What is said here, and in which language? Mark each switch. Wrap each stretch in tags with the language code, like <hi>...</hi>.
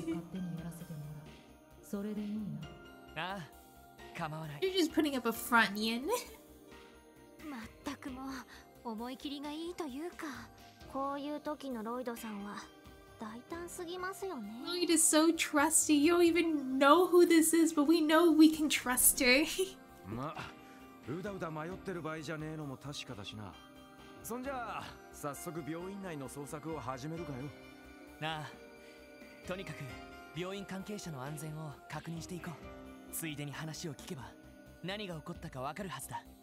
<ja>勝手にやらせてもらう。それでいいな。ああ、構わない。</ja> <en>You're just putting up a front, Yen。</en> <ja>まったくもう、思い切りがいいというか、こういう時のロイドさんは大胆すぎますよね。</ja> <en>Lloyd is so trusty. You don't even know who this is, but we know we can trust her.</en> <ja>まあ、うだうだ迷ってる場合じゃねえのも確かだしな。そんじゃ、早速病院内の捜索を始めるかよ。なあ、とにかく病院関係者の安全を確認していこう。ついでに話を聞けば、何が起こったかわかるはずだ。</ja>